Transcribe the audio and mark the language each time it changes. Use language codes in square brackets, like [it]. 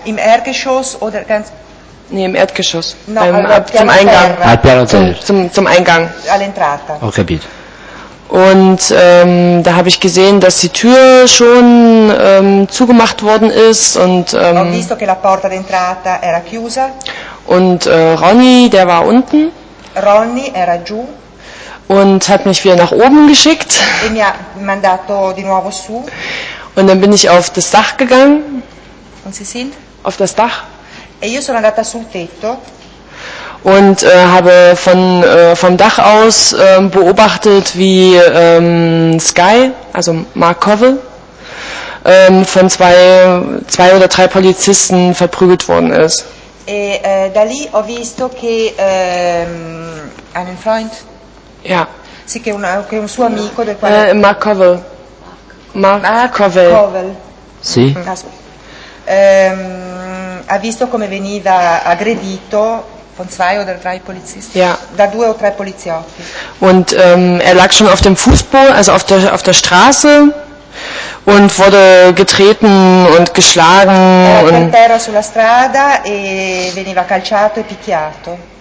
[de] Im Erdgeschoss oder ganz? Nee, im Erdgeschoss. No, zum Eingang. [it] Al piano terra. [de] Zum Eingang. [it] All'entrata. Ho capito. [de] Und da habe ich gesehen, dass die Tür schon zugemacht worden ist und [it] ho visto che la porta d'entrata era chiusa. [de] Und Ronnie, der war unten. [it] Ronnie era giù. [de] Und hat mich wieder nach oben geschickt. [it] E mi ha mandato di nuovo su. [de] Und dann bin ich auf das Dach gegangen. Und Sie sind? Auf das Dach. [it] E io sono andata sul tetto. [de] Und habe vom Dach aus beobachtet, wie Sky, also Mark Covell, von zwei oder drei Polizisten verprügelt worden ist. [it] E da lì ho visto che [de] einen Freund. Ja. [it] Sì, che un suo amico del quale. Mark Covell. Mark Covell. Covell. Sì. Ha visto come veniva aggredito. [de] Von zwei oder drei Polizisten. Ja. [it] Da due o tre poliziotti. [de] Und er lag schon auf dem Fußball, also auf der Straße und wurde getreten und geschlagen. [it] Era per terra sulla strada e veniva calciato e picchiato.